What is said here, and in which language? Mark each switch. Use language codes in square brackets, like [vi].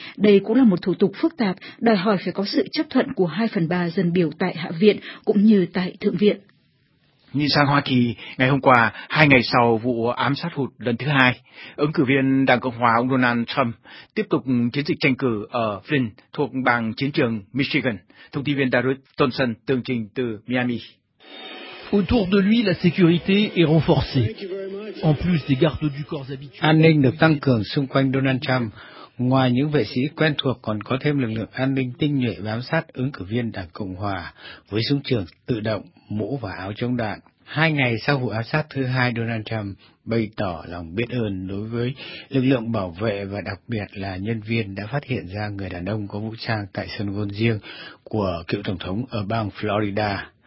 [vi] Đây cũng là một thủ tục phức tạp, đòi hỏi phải có sự chấp thuận của 2/3 dân biểu tại Hạ viện cũng như tại Thượng viện. Nhìn sang Hoa Kỳ, ngày hôm qua, hai ngày sau vụ ám sát hụt lần thứ hai, ứng cử viên Đảng Cộng Hòa ông Donald Trump tiếp tục chiến dịch tranh cử ở Flint thuộc bang chiến trường Michigan. Thông tin viên Darius Thompson tường trình từ Miami. [fr] Autour de lui, la sécurité est renforcée. En plus des gardes du corps habituels. [vi] An ninh được tăng cường xung quanh Donald Trump. Ngoài những vệ sĩ quen thuộc còn có thêm lực lượng an ninh tinh nhuệ bám sát ứng cử viên Đảng Cộng Hòa với súng trường tự động, mũ và áo chống đạn. Hai ngày sau vụ ám sát thứ hai, Donald Trump bày tỏ lòng biết ơn đối với lực lượng bảo vệ và đặc biệt là nhân viên đã phát hiện ra người đàn ông có vũ trang tại sân golf riêng của cựu tổng thống ở bang Florida.